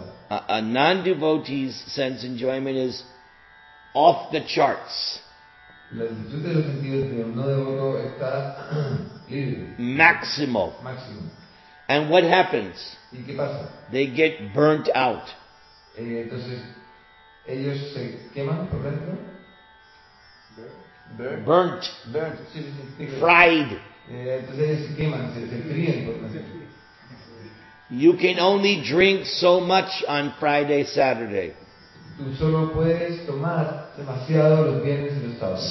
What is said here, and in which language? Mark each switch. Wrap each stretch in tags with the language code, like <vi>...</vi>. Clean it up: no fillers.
<en>A non-devotee's sense enjoyment is off the charts.</en> <es>La actitud de los sentidos de un no devoto está libre.</es> <en>Maximal.</en> <es>Máximo.</es> <en>And what happens?</en> <es>¿Y qué pasa?</es> <en>They get burnt out.</en> <es>Entonces, ellos se queman por dentro.</es> <en>Burnt.</en> <es>Burnt. Sí.</es> <en>Fried.</en> <es>Entonces ellos se queman, se fríen por dentro.</es> <en>You can only drink so much on Friday, Saturday.</en> <es>Tú solo puedes tomar demasiado los viernes y los sábados.</es>